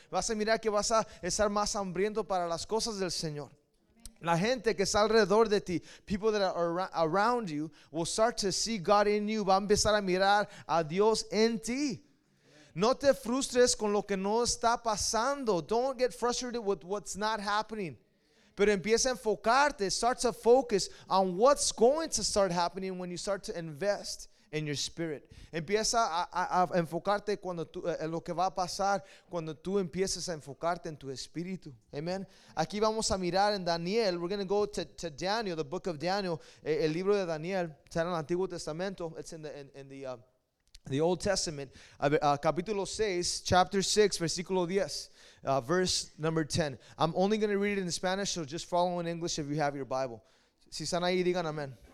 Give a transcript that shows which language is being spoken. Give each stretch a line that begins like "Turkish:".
Spanish: Vas a mirar que vas a estar más hambriento para las cosas del Señor. La gente que está alrededor de ti,
English: people that are around you, will start to see God in you.
Spanish: Va a empezar a mirar a Dios en ti. No te frustres con lo que no está pasando.
English: Don't get frustrated with what's not happening.
Spanish: Pero empieza a enfocarte.
English: Start to focus on what's going to start happening when you start to invest in your spirit.
Spanish: Empieza a enfocarte cuando tú, en lo que va a pasar cuando tú empieces a enfocarte en tu espíritu. Amen. Aquí vamos a mirar en Daniel.
English: We're going to go to Daniel, the book of Daniel.
Spanish: El libro de Daniel está en el Antiguo Testamento.
English: It's in the Old Testament,
Spanish: capítulo 6,
English: chapter 6,
Spanish: versículo 10,
English: verse number 10. I'm only going to read it in Spanish, so just follow in English if you have your Bible.
Spanish: Si están ahí, digan amén.